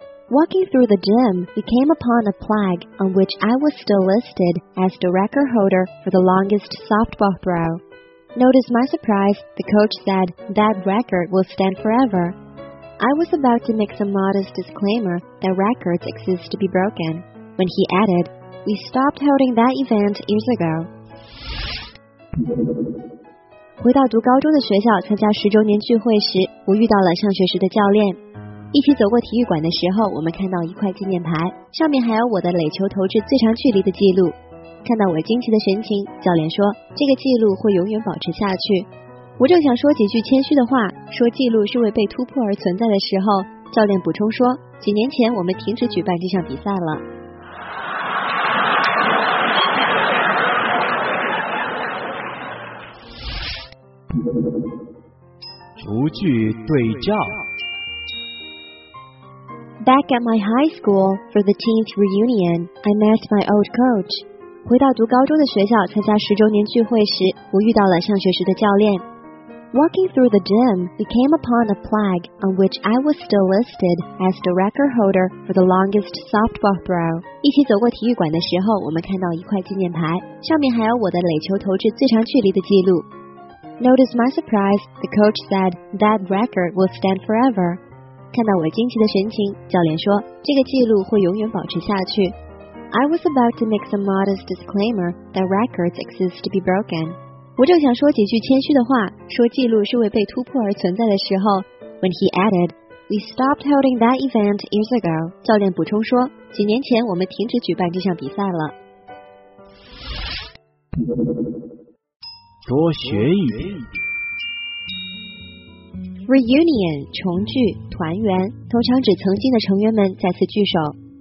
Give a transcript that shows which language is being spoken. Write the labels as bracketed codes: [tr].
[en] Walking through the gym, we came upon a plaque on which I was still listed as the record holder for the longest softball throw. Notice my surprise, the coach said that record will stand forever. I was about to make some modest disclaimer that records exist to be broken, when he added, we stopped holding that event years ago. [zh] 回到读高中的学校参加十周年聚会时，我遇到了上学时的教练。一起走过体育馆的时候，我们看到一块纪念牌，上面还有我的垒球投掷最长距离的记录。看到我惊奇的神情，教练说这个记录会永远保持下去。我正想说几句谦虚的话，说记录是为被突破而存在的时候，教练补充说，几年前我们停止举办这项比赛了。逐句对照。 [en] Back at my high school for the teens reunion, I met my old coach. [zh] 回到读高中的学校参加十周年聚会时，我遇到了上学时的教练。 [en] Walking through the gym, we came upon a plaque on which I was still listed as the record holder for the longest softball throw. [zh] 一起走过体育馆的时候，我们看到一块纪念牌，上面还有我的垒球投掷最长距离的记录。 [en] Notice my surprise, the coach said that record will stand forever. [zh] 看到我惊奇的神情，教练说这个记录会永远保持下去。 [en] I was about to make some modest disclaimer that records exist to be broken. [zh] 我正想说几句谦虚的话，说记录是为被突破而存在的时候。 [en] When he added, we stopped holding that event years ago. [zh] 教练补充说，几年前我们停止举办这项比赛了。多学一点。 Reunion 重聚团圆，通常指曾经的成员们再次聚首。